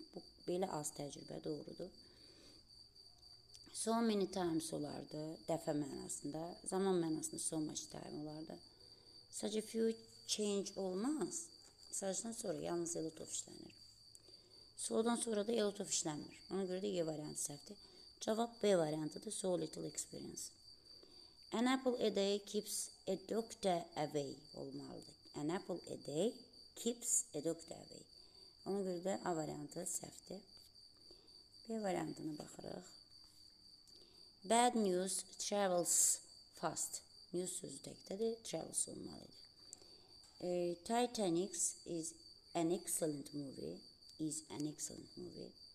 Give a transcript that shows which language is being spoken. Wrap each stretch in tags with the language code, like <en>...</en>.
<az>Bu belə az təcrübə doğrudur.</az> <en>So many times</en> <az>olardı, dəfə mənasında, zaman mənasında</az> <en>so much time</en> <az>olardı.</az> <en>Such a few change</en> <az>olmaz, sadəcədən sonra yalnız elot of işlənir. So-dan sonra da elot of işlənmir, ona görə də Y variantı səhvdir. Cavab B variantıdır,</az> <en>so little experience. An apple a day keeps a doctor away</en> <az>olmalıdır.</az> <en>An apple a day keeps a doctor away.</en> <az>Ona görə də A variantı səhvdir. B variantına baxırıq.</az> <en>Bad news travels fast. News</en> <az>sözü təkdədir,</az> <en>travels</en> <az>olmalıdır.</az> <en>Titanic is an excellent movie. Is an excellent movie.</en>